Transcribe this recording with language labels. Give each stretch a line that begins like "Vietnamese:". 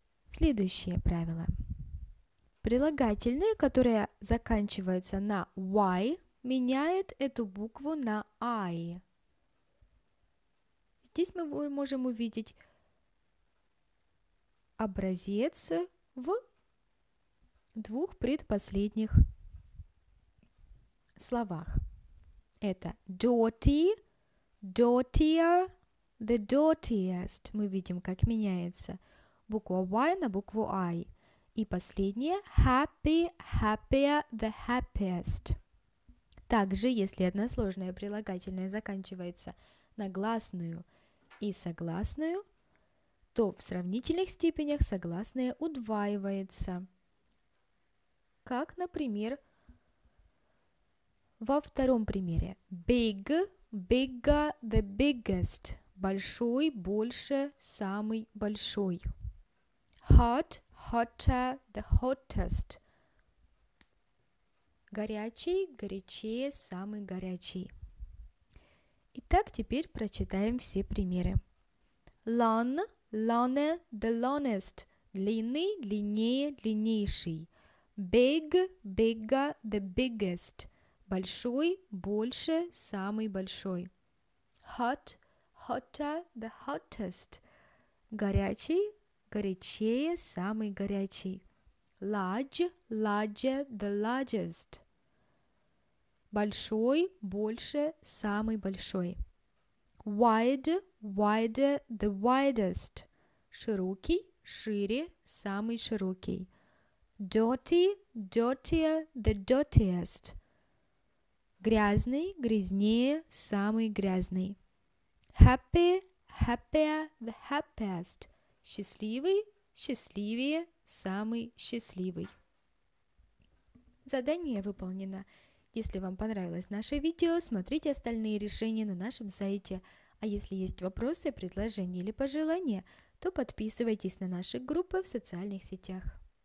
Russian: Следующее правило. Прилагательные, которые заканчиваются на y, меняют эту букву на i. Здесь мы можем увидеть образец в двух предпоследних словах. Это
English: dirty, dirtier, the dirtiest.
Russian: Мы видим, как меняется буква Y на букву I. И последнее.
English: Happy, happier, the happiest.
Russian: Также, если односложное прилагательное заканчивается на гласную и согласную, то в сравнительных степенях согласное удваивается. Как, например, во втором примере.
English: Big, bigger, the biggest.
Russian: Большой, больше, самый большой.
English: Hot, hotter, the hottest.
Russian: Горячий, горячее, самый горячий. Итак, теперь прочитаем все примеры.
English: Long, longer, the longest.
Russian: Длинный, длиннее, длиннейший.
English: Big, bigger, the biggest.
Russian: Большой, больше, самый большой.
English: Hot, hotter, the hottest.
Russian: Горячий, горячее, самый горячий.
English: Large, larger, the largest.
Russian: Большой, больше, самый большой.
English: Wide, wider, the widest.
Russian: Широкий, шире, самый широкий.
English: Dirty, dirtier, the dirtiest.
Russian: Грязный, грязнее, самый грязный.
English: Happy, happier, the happiest.
Russian: Счастливый, счастливее, самый счастливый. Задание выполнено. Если вам понравилось наше видео, смотрите остальные решения на нашем сайте. А если есть вопросы, предложения или пожелания, то подписывайтесь на наши группы в социальных сетях.